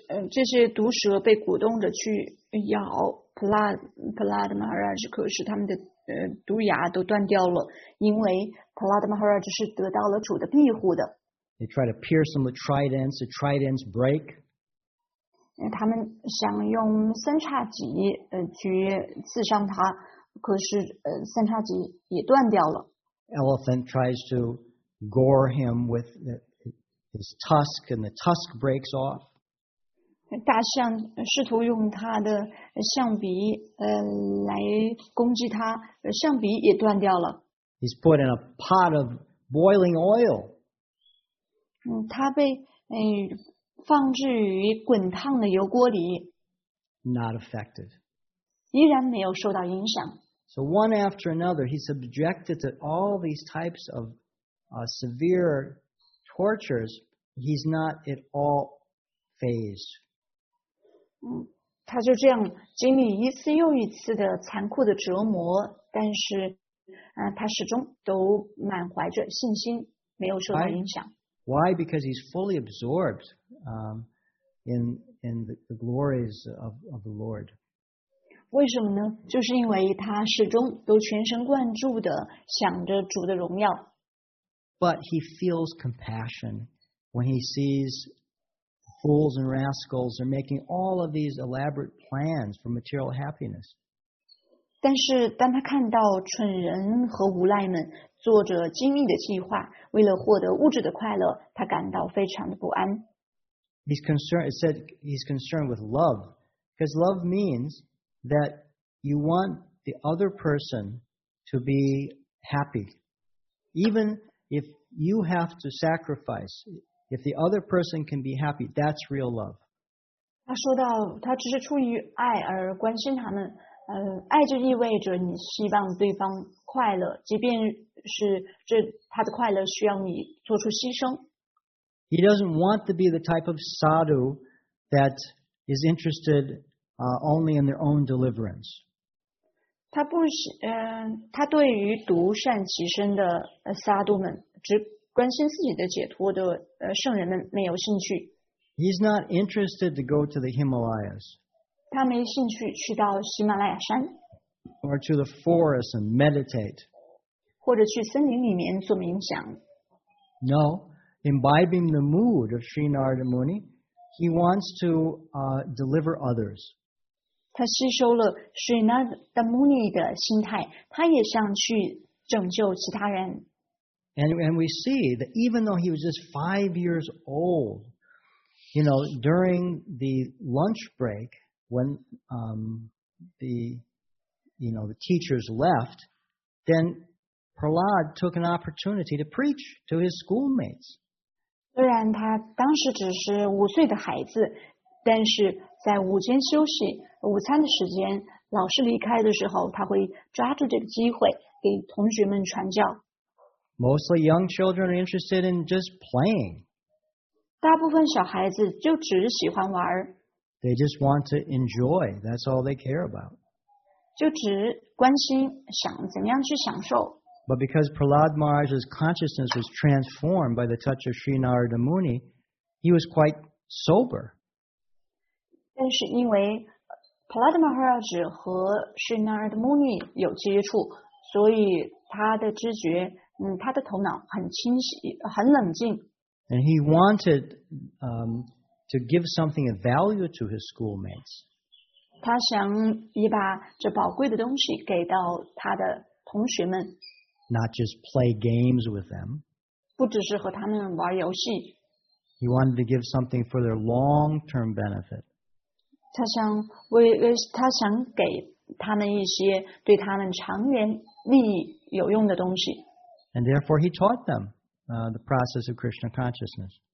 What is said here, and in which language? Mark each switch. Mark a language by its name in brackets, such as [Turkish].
[Chinese] 这些毒蛇被鼓动着去咬 Prahlad Maharaj, 可是他们的毒牙都断掉了，因为 Prahlad Maharaj 是得到了主的庇护的。 [English] They try to pierce them with tridents, the tridents break. [Chinese] 他们想用三叉戟去刺伤他，可是三叉戟也断掉了。 [English] Elephant tries to gore him with his tusk, and the tusk breaks off. [Chinese] 大象试图用它的象鼻来攻击它，象鼻也断掉了。 [English] He's put in a pot of boiling oil. [Chinese] 他被放置于滚烫的油锅里。 [English] Not affected. [Chinese] 依然没有受到影响。 [English] So one after another, he's subjected to all these types of severe tortures. He's not at all fazed. [Chinese] 他就这样经历一次又一次的残酷的折磨，但是他始终都满怀着信心，没有受到影响。 [English] Why? Because he's fully absorbed in the glories of the Lord. [Chinese] 为什么呢？就是因为他始终都全神贯注地想着主的荣耀。 [English] But he feels compassion when he sees fools and rascals are making all of these elaborate plans for material happiness. [Chinese] 但是当他看到蠢人和无赖们做着精密的计划，为了获得物质的快乐，他感到非常的不安。 [English] He's concerned, it said he's concerned with love, because love means that you want the other person to be happy. Even if you have to sacrifice, if the other person can be happy, that's real love. [Chinese] 他说到他只是出于爱而关心他们，爱就意味着你希望对方快乐，即便是这他的快乐需要你做出牺牲。 [English] He doesn't want to be the type of sadhu that is interested only in their own deliverance. [Chinese] 他不是，他对于独善其身的sadhu们，只关心自己的解脱的圣人们没有兴趣。 [English] He's not interested to go to the Himalayas. [Chinese] 他没兴趣去到喜马拉雅山。 [English] Or to the forest and meditate. [Chinese] 或者去森林里面做冥想。 [English] No. Imbibing the mood of Sri Narada Muni, he wants to deliver others. [Chinese] 他吸收了 Sri Narada Muni 的心态，他也想去拯救其他人。 [English] And we see that even though he was just 5 years old, you know, during the lunch break when the teachers left, then Prahlad took an opportunity to preach to his schoolmates. [Chinese] 虽然他当时只是五岁的孩子，但是在午间休息、午餐的时间，老师离开的时候，他会抓住这个机会给同学们传教。 [English] Mostly young children are interested in just playing. [Chinese] 大部分小孩子就只喜欢玩。 [English] They just want to enjoy. That's all they care about. [Chinese] 就只关心想怎么样去享受。 [English] But because Prahlad Maharaj's consciousness was transformed by the touch of Sri Narada Muni, he was quite sober. [Chinese] 但是因为 Prahlad Maharaj 和 Sri Narada Muni 有接触，所以他的知觉，他的头脑很清晰，很冷静。 [English] And he wanted to give something of value to his schoolmates. [Chinese] 他想也把这宝贵的东西给到他的同学们。 [English] Not just play games with them. [Chinese] 不只是和他们玩游戏。 [English] He wanted to give something for their long-term benefit. [Chinese] 他想给他们一些对他们长远利益有用的东西。 [English] And therefore he taught them the process of Krishna consciousness.